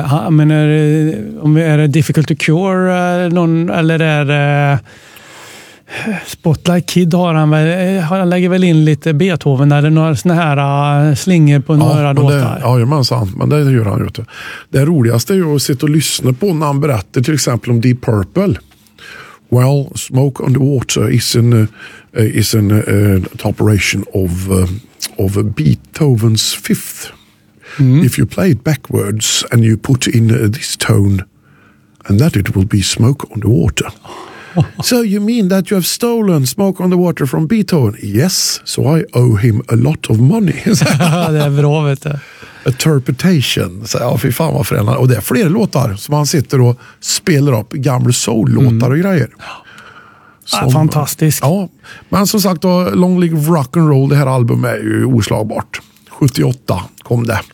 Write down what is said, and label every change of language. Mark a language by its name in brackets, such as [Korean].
[Swedish] Men är det Difficult to Cure någon, eller är det... Spotlight Kid har han väl, han lägger väl in lite Beethoven eller några såna här slinger på några låtar. Ja, men sant, men det gör han ju inte. Det roligaste är ju att sitta och lyssna på när han berättar till exempel om Deep Purple. [English] Well, Smoke on the Water is an operation of Beethoven's fifth. Mm. If you play it backwards and you put in this tone and that it will be Smoke on the Water. So you mean that you have stolen Smoke on the Water from Beethoven? Yes, so I owe him a lot of money. [Swedish] Det är bra, vet du. [English] Interpretation. [Swedish] Så, ja, fy fan vad föräldrar. Och det är fler låtar som han sitter och spelar upp. Gamla soul-låtar och grejer. Ja. Som, fantastiskt. Ja, men som sagt, då, Long Live Rock and Roll, det här albumet är ju oslagbart. 78 kom det.